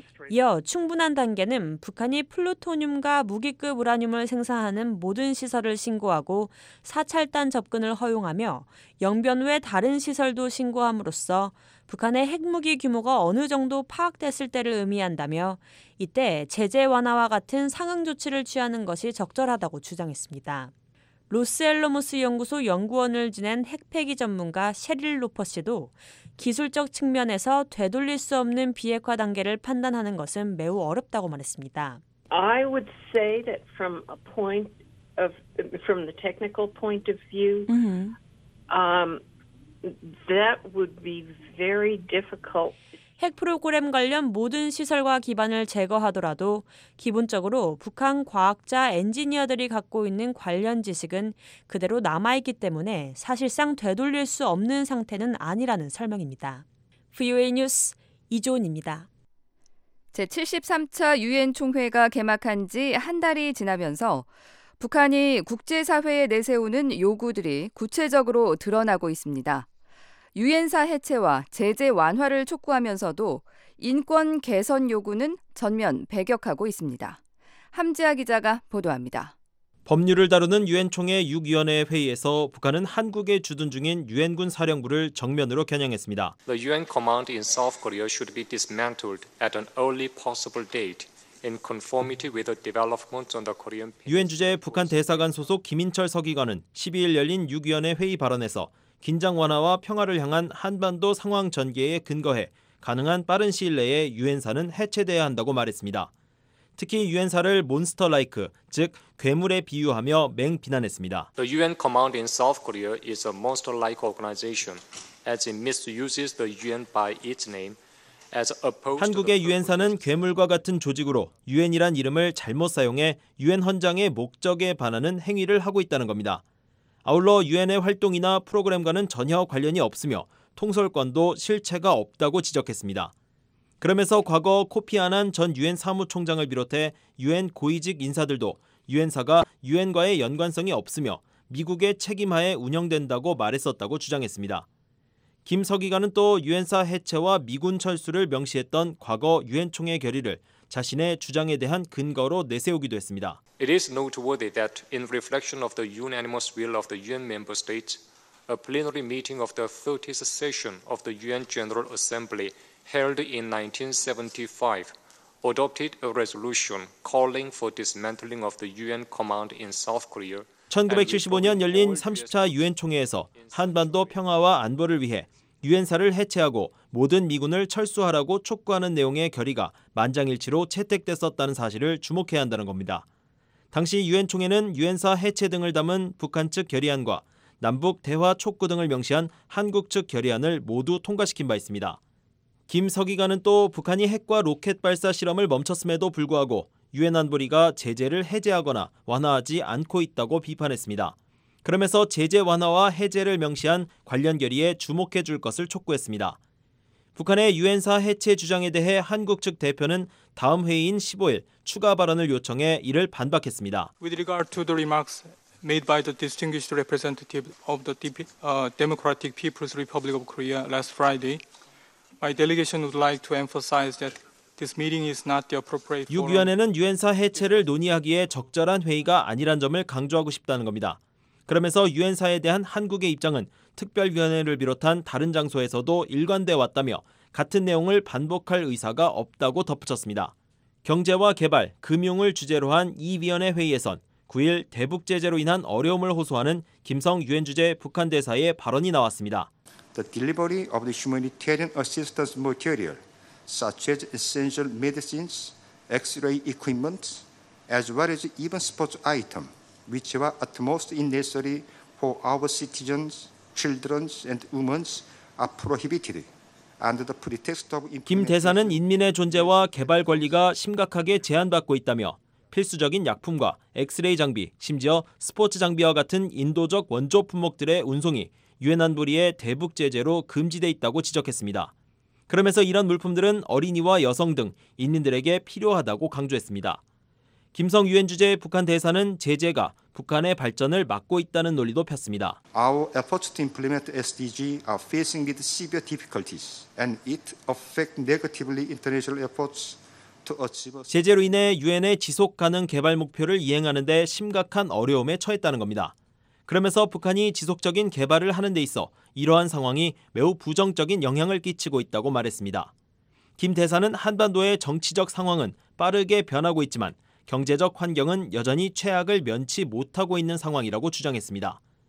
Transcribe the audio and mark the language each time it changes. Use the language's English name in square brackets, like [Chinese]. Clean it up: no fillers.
[Korean] 이어 충분한 단계는 북한이 플루토늄과 무기급 우라늄을 생산하는 모든 시설을 신고하고 사찰단 접근을 허용하며 영변 외 다른 시설도 신고함으로써 북한의 핵무기 규모가 어느 정도 파악됐을 때를 의미한다며 이때 제재 완화와 같은 상응 조치를 취하는 것이 적절하다고 주장했습니다. 로스앨러무스 연구소 연구원을 지낸 핵폐기 전문가 셰릴 로퍼 씨도 기술적 측면에서 되돌릴 수 없는 비핵화 단계를 판단하는 것은 매우 어렵다고 말했습니다. [English] I would say that from a point of from the technical point of view, that would be very difficult. [Korean] 핵 프로그램 관련 모든 시설과 기반을 제거하더라도 기본적으로 북한 과학자 엔지니어들이 갖고 있는 관련 지식은 그대로 남아있기 때문에 사실상 되돌릴 수 없는 상태는 아니라는 설명입니다. VOA 뉴스 이조은입니다. 제73차 유엔 총회가 개막한 지 한 달이 지나면서 북한이 국제사회에 내세우는 요구들이 구체적으로 드러나고 있습니다. 유엔사 해체와 제재 완화를 촉구하면서도 인권 개선 요구는 전면 배격하고 있습니다. 함지아 기자가 보도합니다. 법률을 다루는 유엔총회 6위원회 회의에서 북한은 한국에 주둔 중인 유엔군 사령부를 정면으로 겨냥했습니다. [English] The UN command in South Korea should be dismantled at an early possible date. In conformity with the developments on the Korean. [Korean] 유엔 주재 북한 대사관 소속 김인철 서기관은 12일 열린 6위원회 회의 발언에서 긴장 완화와 평화를 향한 한반도 상황 전개에 근거해 가능한 빠른 시일 내에 유엔사는 해체돼야 한다고 말했습니다. 특히 유엔사를 [English] 몬스터 라이크, [Korean] 즉 괴물에 비유하며 맹비난했습니다. [English] The UN command in South Korea is a monster-like organization as it misuses the UN by its name. [Korean] 한국의 유엔사는 괴물과 같은 조직으로 유엔이란 이름을 잘못 사용해 유엔 헌장의 목적에 반하는 행위를 하고 있다는 겁니다. 아울러 유엔의 활동이나 프로그램과는 전혀 관련이 없으며 통솔권도 실체가 없다고 지적했습니다. 그러면서 과거 코피 아난 전 유엔 사무총장을 비롯해 유엔 고위직 인사들도 유엔사가 유엔과의 연관성이 없으며 미국의 책임하에 운영된다고 말했었다고 주장했습니다. 김 서기관은 또 유엔사 해체와 미군 철수를 명시했던 과거 유엔총회 결의를 자신의 주장에 대한 근거로 내세우기도 했습니다. [English] It is noteworthy that in reflection of the unanimous will of the UN member states, a plenary meeting of the 30th session of the UN General Assembly held in 1975 adopted a resolution calling for dismantling of the UN command in South Korea. [Korean] 1975년 열린 30차 유엔총회에서 한반도 평화와 안보를 위해 유엔사를 해체하고 모든 미군을 철수하라고 촉구하는 내용의 결의가 만장일치로 채택됐었다는 사실을 주목해야 한다는 겁니다. 당시 유엔총회는 유엔사 해체 등을 담은 북한 측 결의안과 남북 대화 촉구 등을 명시한 한국 측 결의안을 모두 통과시킨 바 있습니다. 김 서기관은 또 북한이 핵과 로켓 발사 실험을 멈췄음에도 불구하고 유엔 안보리가 제재를 해제하거나 완화하지 않고 있다고 비판했습니다. 그러면서 제재 완화와 해제를 명시한 관련 결의에 주목해 줄 것을 촉구했습니다. 북한의 유엔사 해체 주장에 대해 한국 측 대표는 다음 회의인 15일 추가 발언을 요청해 이를 반박했습니다. [English] With regard to the remarks made by the distinguished representative of the Democratic People's Republic of Korea last Friday, my delegation would like to emphasize that This meeting is not the appropriate forum. [Korean] 6위원회는 유엔사 해체를 논의하기에 적절한 회의가 아니란 점을 강조하고 싶다는 겁니다. 그러면서 유엔사에 대한 한국의 입장은 특별위원회를 비롯한 다른 장소에서도 일관돼 왔다며 같은 내용을 반복할 의사가 없다고 덧붙였습니다. 경제와 개발, 금융을 주제로 한 이 위원회 회의에선 9일 대북 제재로 인한 어려움을 호소하는 김성 유엔 주재 북한 대사의 발언이 나왔습니다. [English] The delivery of the humanitarian assistance material. such as essential medicines, X-ray equipment, as well as even sports items, which were at most necessary for our citizens, children, and women, are prohibited under the pretext of. [Korean] 김 대사는 인민의 존재와 개발 권리가 심각하게 제한받고 있다며 필수적인 약품과 X-ray 장비, 심지어 스포츠 장비와 같은 인도적 원조 품목들의 운송이 유엔 안보리의 대북 제재로 금지돼 있다고 지적했습니다. 그러면서 이런 물품들은 어린이와 여성 등 인민들에게 필요하다고 강조했습니다. 김성 유엔 주재 북한 대사는 제재가 북한의 발전을 막고 있다는 논리도 폈습니다. [English] Our efforts to implement SDG are facing with severe difficulties and it affects negatively international efforts to achieve. [Korean] 제재로 인해 유엔의 지속 가능 개발 목표를 이행하는 데 심각한 어려움에 처했다는 겁니다. 그러면서 북한이 지속적인 개발을 하는 데 있어 이러한 상황이 매우 부정적인 영향을 끼치고 있다고 말했습니다. 김 대사는 한반도의 정치적 상황은 빠르게 변하고 있지만 경제적 환경은 여전히 최악을 면치 못하고 있는 상황이라고 주장했습니다.